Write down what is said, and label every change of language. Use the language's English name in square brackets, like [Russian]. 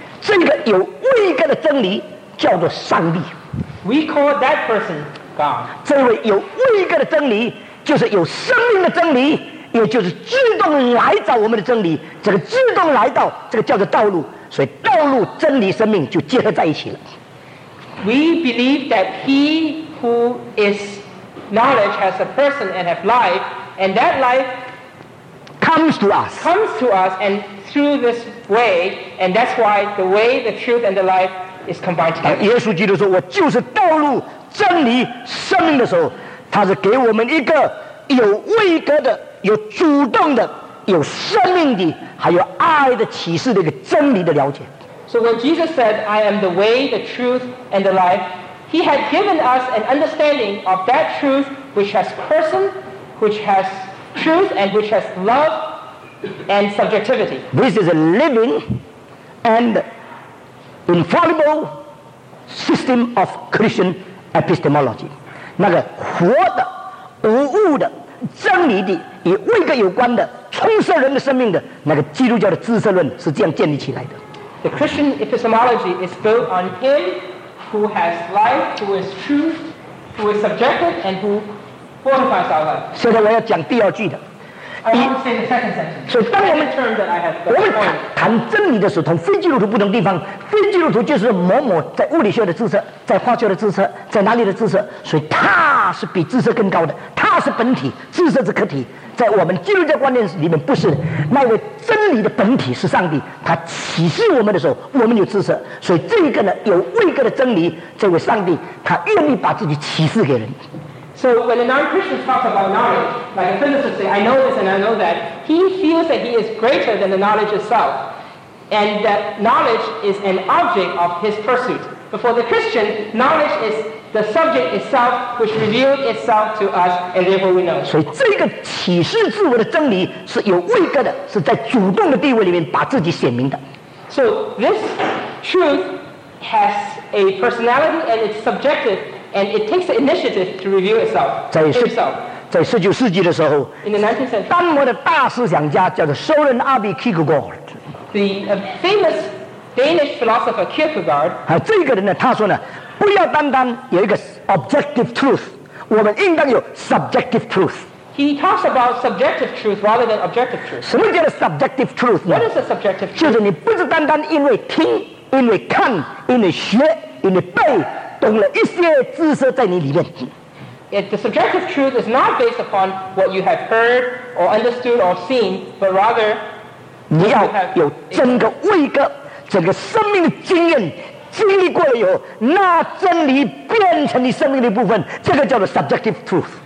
[Chinese] 这个有位格的真理叫做上帝。 [English] We call that person God. [Chinese] 这位有位格的真理就是有生命的真理，也就是自动来找我们的真理。这个自动来到，这个叫做道路。所以道路、真理、生命就结合在一起了。 [English] We believe that he who is knowledge has a person and have life, and that life comes to us. Comes to us and through this way, and that's why the way, the truth, and the life is combined together. [Chinese] 耶稣基督说：“我就是道路、真理、生命”的时候，他是给我们一个有位格的、有主动的、有生命的，还有爱的启示的一个真理的了解。 [English] So when Jesus said, "I am the way, the truth, and the life," He had given us an understanding of that truth, which has person, which has truth, and which has love and subjectivity. This is a living and infallible system of Christian epistemology. [Chinese] 那个活的、无误的、真理的、与位格有关的、充塞人的生命的那个基督教的知识论是这样建立起来的。 [English] The Christian epistemology is built on Him who has life, who is truth, who is subjective, and who fortifies our life. [Chinese] 现在我要讲第二句的。 [English] I want to say the second sentence. [Chinese] 所以当我们 [English] term that I have [Chinese] the 我们 谈真理的时候，同非基督徒不同地方。非基督徒就是某某在物理学的知识，在化学的知识，在哪里的知识，所以他是比知识更高的，他是本体，知识是客体。在我们基督教观念里面，不是那位真理的本体是上帝，他启示我们的时候，我们有知识。所以这个呢，有位格的真理，这位上帝他愿意把自己启示给人。 [English] So when a non-Christian talks about knowledge, like a physicist say, "I know this and I know that," he feels that he is greater than the knowledge itself, and that knowledge is an object of his pursuit. But for the Christian, knowledge is the subject itself which revealed itself to us, and therefore we know. [Chinese] 所以这个启示自我的真理是有位格的，是在主动的地位里面把自己显明的。 [English] So this truth has a personality and it's subjective, and it takes the initiative to reveal itself. [Chinese] 在十在十九世纪的时候 [English] ，In the 19th century, [Chinese] 丹麦的大思想家叫做 Søren Abbe Kierkegaard。 [English] The famous Danish philosopher Kierkegaard. [Chinese] 啊，这个人呢，他说呢，不要单单有一个 objective truth， 我们应当有 subjective truth。 [English] He talks about subjective truth rather than objective truth. [Chinese] 什么叫做 subjective truth 呢 [English] ？What is a subjective truth？ [Chinese] 就是你不是单单因为听、因为看、因为学、因为背，懂了一些知识在你里面。 [English] If the subjective truth is not based upon what you have heard or understood or seen, but rather [Chinese] 你要有整个位格、整个生命的经验，经历过了以后，那真理变成你生命的一部分，这个叫做 subjective truth.